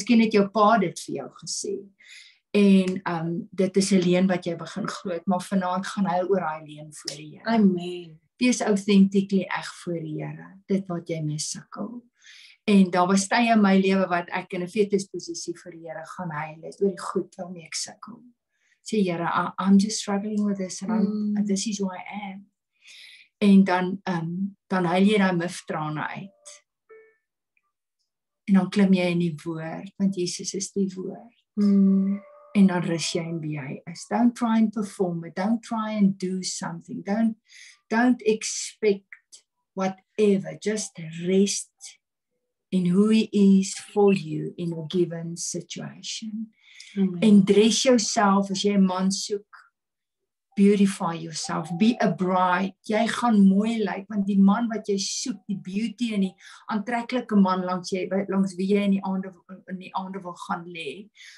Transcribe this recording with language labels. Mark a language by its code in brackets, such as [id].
[af] Miskien het jou pa dit vir jou gesê, en dit is 'n leen wat jy begin groot, maar vanaand gaan hy oor hy leen voor die Here. Amen. Wees authentically ek voor die Here, dit wat jy mee sukkel. En daar was tye in my lewe wat ek in 'n fetusposisie vir die Here gaan huil, is oor die goed waarmee ek sukkel. Sê Here, [en] I'm just struggling with this and this is who I am. [af] En dan huil jy daai miftrane uit. En dan klim jy in die woord, want Jesus is die woord. En dan rus jy in wie hy is. [en] Don't try and perform it. Don't try and do something. Don't expect whatever. Just rest in who he is for you in a given situation. Amen. And dress yourself, [af] as jy 'n man soek, [en] beautify yourself, be a bride, [af] jy gaan mooi lyk, want die man wat jy soek, die beauty en die aantreklike man, langs wie jy in die aande wil gaan lê,